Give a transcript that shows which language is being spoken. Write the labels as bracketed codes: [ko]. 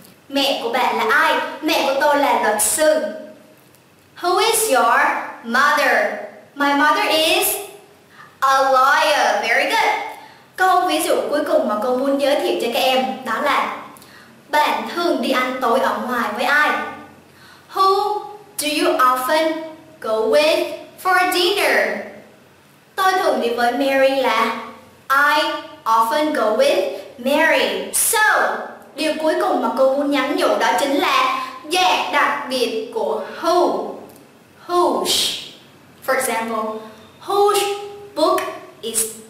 [vi] Mẹ của bạn là ai? Mẹ của tôi là luật sư. [en] Who is your mother? My mother is a lawyer. Very good. [vi] Câu ví dụ cuối cùng mà cô muốn giới thiệu cho các em đó là bạn thường đi ăn tối ở ngoài với ai? [en] Who do you often go with for dinner? [vi] Tôi thường đi với Mary là [en] I often go with Mary. [vi] So, điều cuối cùng mà cô muốn nhắn nhủ đó chính là dạng đặc biệt của who. [en] Who's. For example, who's book is